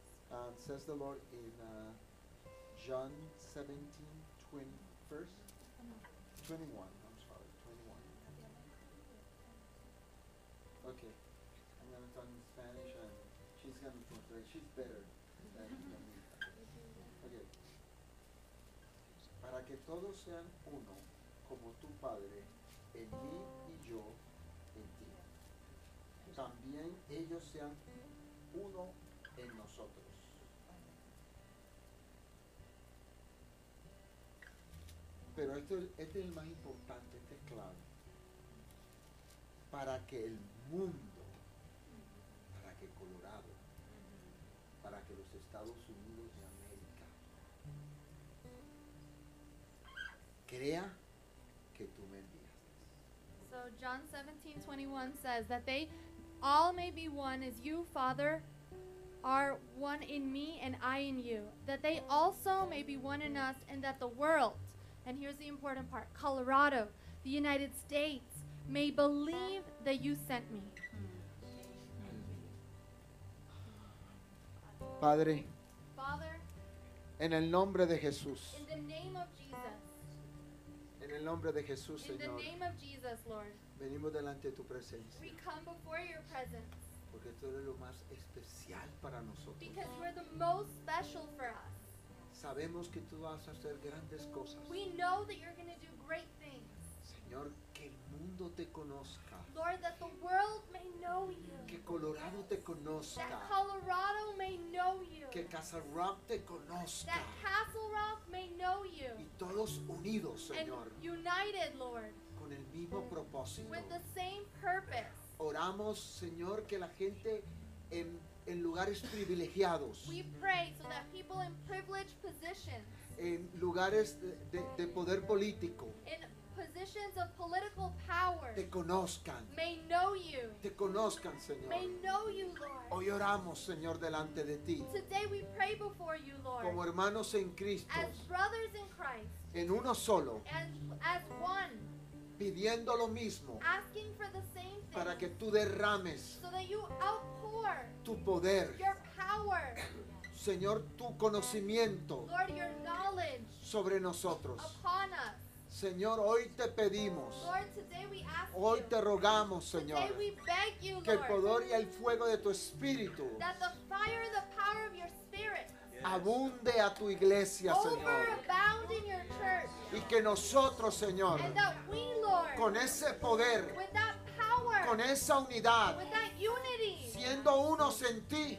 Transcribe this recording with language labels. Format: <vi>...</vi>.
<en>And says the Lord in John 17, 20, verse 21. I'm sorry, 21. Okay. I'm going to talk in Spanish, and she's going to translate. She's better than me. Okay.</en> <es>Para que todos sean uno, como tu Padre, en mí y yo en ti. También ellos sean uno en nosotros. Pero este es el más importante, este es clave. Para que el mundo, para que Colorado, para que los Estados Unidos de América, crea que tú me enviaste.</es> <en>So John 17:21 says that they all may be one as you, Father, are one in me and I in you. That they also may be one in us, and that the world, and here's the important part, Colorado, the United States, may believe that you sent me.</en> <es>Padre.</es> <en>Father.</en> <es>En el nombre de Jesús.</es> <en>In the name of Jesus.</en> <es>En el nombre de Jesús,</es> <en>in</en> <es>Señor.</es> <en>In the name of Jesus, Lord.</en> <es>Venimos delante de tu presencia.</es> <en>We come before your presence.</en> <es>Porque tú eres lo más especial para nosotros.</es> <en>Because you are the most special for us.</en> <es>Sabemos que tú vas a hacer grandes cosas.</es> <en>We know that you're going to do great things.</en> <es>Señor, que el mundo te conozca.</es> <en>Lord, that the world may know you.</en> <es>Que Colorado te conozca.</es> <en>That Colorado may know you.</en> <es>Que Castle Rock te conozca.</es> <en>That Castle Rock may know you.</en> <es>Y todos unidos, Señor.</es> <en>And united, Lord.</en> <es>Con el mismo propósito.</es> <en>With the same purpose.</en> <es>Oramos, Señor, que la gente en lugares privilegiados.</es> <en>We pray so that people in privileged positions.</en> <es>En lugares de poder político.</es> <en>In positions of political power.</en> <es>Te conozcan.</es> <en>May know you.</en> <es>Te conozcan, Señor.</es> <en>May know you, Lord.</en> <es>Hoy oramos, Señor, delante de ti.</es> <en>Today we pray before you, Lord.</en> <es>Como hermanos en Cristo.</es> <en>As brothers in Christ.</en> <es>En uno solo.</es> <en>As one.</en> <es>Pidiendo lo mismo.</es> <en>Asking for the same thing.</en> <es>Para que tú derrames.</es> <en>So that you outpour.</en> <es>Tu poder.</es> <en>Your power.</en> <es>Señor, tu conocimiento.</es> <en>Lord, your knowledge.</en> <es>Sobre nosotros.</es> <en>Upon us.</en> <es>Señor, hoy te pedimos.</es> <en>Lord, today we ask you.</en> <es>Hoy te rogamos, Señor.</es> <en>Today we beg you, Lord.</en> <es>Que el poder y el fuego de tu espíritu.</es> <en>That the fire and the power of your spirit.</en> <es>Abunde a tu iglesia, Señor.</es> <en>Overabound in your church.</en> <es>Y que nosotros, Señor.</es> <en>And that we, Lord.</en> <es>Con ese poder.</es> <en>With that power.</en> <es>Con esa unidad.</es> <en>With that unity.</en> <es>Siendo unos en ti.</es>